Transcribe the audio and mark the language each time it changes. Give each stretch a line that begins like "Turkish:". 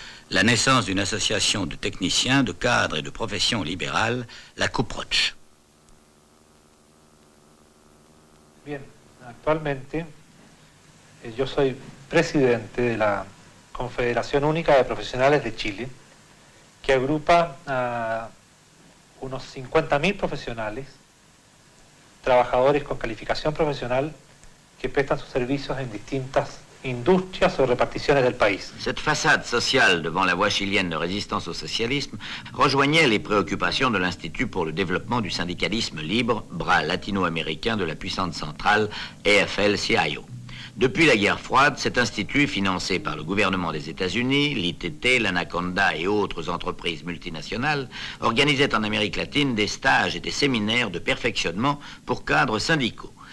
French: La naissance d'une association de techniciens, de cadres et de professions libérales, la CUPROCH.
Spanish: Bien, actualmente, yo soy presidente de la Confederación Única de Profesionales de Chile, que agrupa a unos 50.000 profesionales, trabajadores con calificación profesional, que prestan sus servicios en distintas industrias o reparticiones del país.
French: Cette façade sociale devant la voix chilienne de résistance au socialisme rejoignait les préoccupations de l'Institut pour le développement du syndicalisme libre, bras latino-américain de la puissante centrale AFL-CIO. Depuis la guerre froide, cet institut, financé par le gouvernement des États-Unis, l'ITT, l'Anaconda et autres entreprises multinationales, organisait en Amérique latine des stages et des séminaires de perfectionnement pour cadres syndicaux.